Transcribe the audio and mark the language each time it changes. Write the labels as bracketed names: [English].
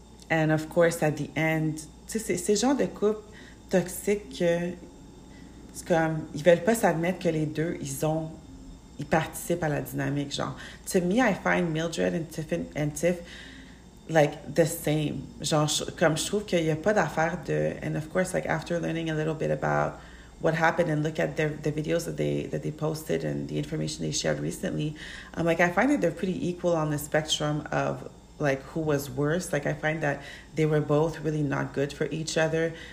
[English] And of course, at the end, [French] tu sais, ces gens de couple toxiques, c'est comme, ils veulent pas s'admettre que les deux, ils ont, ils participent à la dynamique, genre. [English] To me, I find Mildred and Tiff, like, the same. [French] Genre, comme je trouve qu'il n'y a pas d'affaire de... [English] And of course, like, after learning a little bit about what happened and look at the videos that they posted and the information they shared recently, I'm like, I find that they're pretty equal on the spectrum of, like, who was worse. Like, I find that they were both really not good for each other.